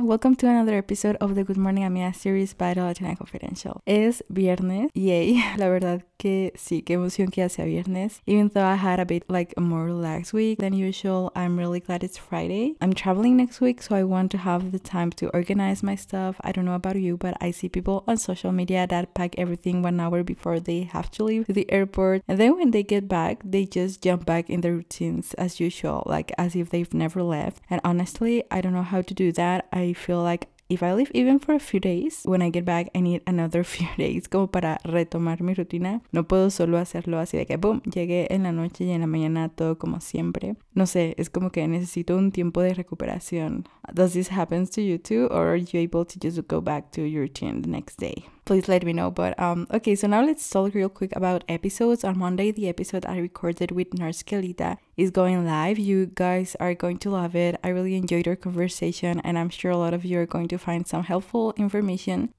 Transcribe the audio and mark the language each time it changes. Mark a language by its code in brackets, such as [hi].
[en] Welcome to another episode of the Good Morning Amiga series by the Latina Confidential. [es] Es viernes. Yay. La verdad que sí, qué emoción que hace viernes. [en] Even though I had a bit like a more relaxed week than usual, I'm really glad it's Friday. I'm traveling next week, so I want to have the time to organize my stuff. I don't know about you, but I see people on social media that pack everything 1 hour before they have to leave to the airport. And then when they get back, they just jump back in their routines as usual, like as if they've never left. And honestly, I don't know how to do that. I feel like if I leave even for a few days, when I get back, I need another few days como para retomar mi rutina. [es] No puedo solo hacerlo así de que boom, llegué en la noche y en la mañana todo como siempre. No sé, es como que necesito un tiempo de recuperación. [en] Does this happen to you too, or are you able to just go back to your routine the next day? Please let me know. But okay, so now let's talk real quick about episodes. On Monday, the episode I recorded with Nurse Kelita is going live. You guys are going to love it. I really enjoyed our conversation, and I'm sure a lot of you are going to find some helpful information.